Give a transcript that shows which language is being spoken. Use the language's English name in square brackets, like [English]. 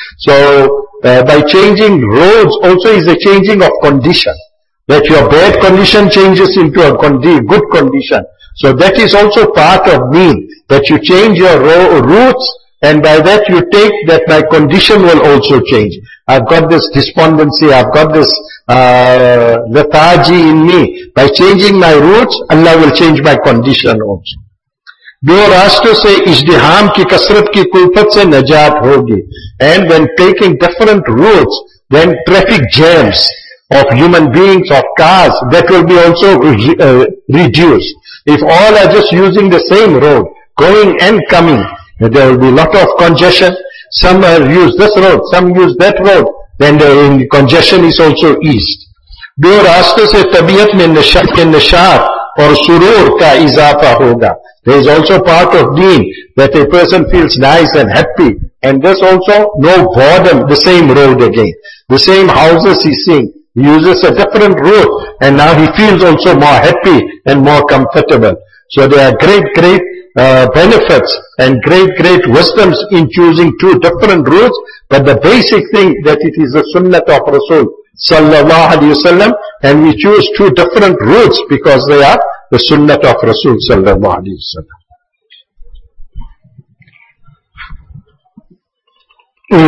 [English] So by changing roads also is a changing of condition, that your bad condition changes into a good condition. So that is also part of mean, that you change your routes, and by that you take that my condition will also change. I've got this despondency, I've got this lethargy in me. By changing my routes, Allah will change my condition also. [Urdu] دو راستوں سے اجدہام کی کثرت کی کلفت سے نجات ہوگی. [English] And when taking different routes, then traffic jams of human beings, of cars, that will be also reduced. If all are just using the same road, going and coming, there will be a lot of congestion. Some use this road, some use that road, then the congestion is also eased. [Urdu] دو راستوں سے طبیعت میں نشاط اور سرور کا اضافہ ہوگا. [English] There is also part of deen that a person feels nice and happy, and there's also no boredom, the same road again. The same houses he's seeing, he uses a different route, and now he feels also more happy and more comfortable. So there are great, great benefits and great, great wisdoms in choosing two different routes, but the basic thing that it is the sunnah of Rasul sallallahu alayhi wa sallam, and we choose two different routes because they are the sunnah of Rasul sallallahu alayhi wa sallam.